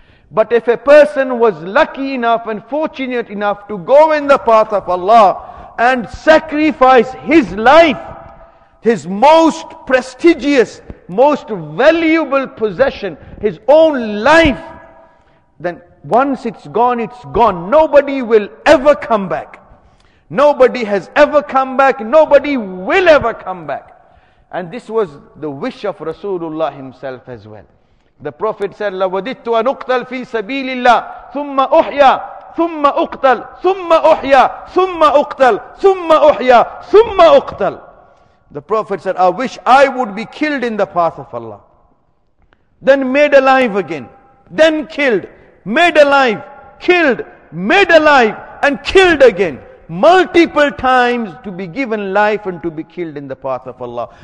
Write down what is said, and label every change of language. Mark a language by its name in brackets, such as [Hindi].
[English] But if a person was lucky enough and fortunate enough to go in the path of Allah and sacrifice his life, his most prestigious, most valuable possession, his own life, then once it's gone, it's gone. Nobody will ever come back. Nobody has ever come back. Nobody will ever come back. And this was the wish of Rasulullah himself as well. [Arabic] The Prophet said, لَوَدِدْتُ أَنُقْتَلْ فِي سَبِيلِ اللَّهِ ثُمَّ أُحْيَا ثُمَّ أُقْتَلْ ثُمَّ أُحْيَا ثُمَّ أُقْتَلْ ثُمَّ أُحْيَا ثُمَّ أُقْتَلْ. [English] The Prophet said, I wish I would be killed in the path of Allah, then made alive again, then killed, made alive, killed, made alive, and killed again. Multiple times to be given life and to be killed in the path of Allah.